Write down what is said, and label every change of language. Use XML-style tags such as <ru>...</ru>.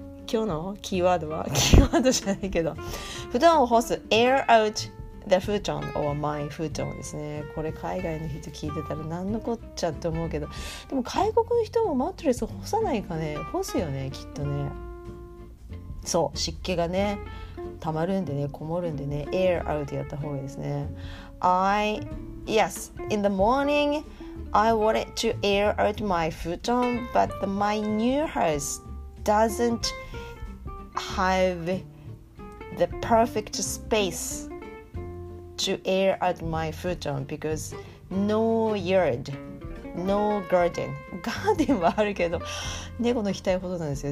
<ja>今日のキーワードは、キーワードじゃないけど、布団を干す、</ja> <en>Air out the 布団 or my 布団</en> <ja>ですね。これ海外の人聞いてたら何のこっちゃって思うけど、でも外国の人もマットレス干さないかね、干すよね、きっとね。そう、湿気がね、たまるんでね、こもるんでね、 air out やった方がいいですね。</ja> <en>I yes, in the morning I wanted to air out my futon, but my new house doesn't have the perfect space to air at my futon because no yard, no garden.</en> <ja>ガーデンはあるけど猫の額ほどなんですよ。</ja>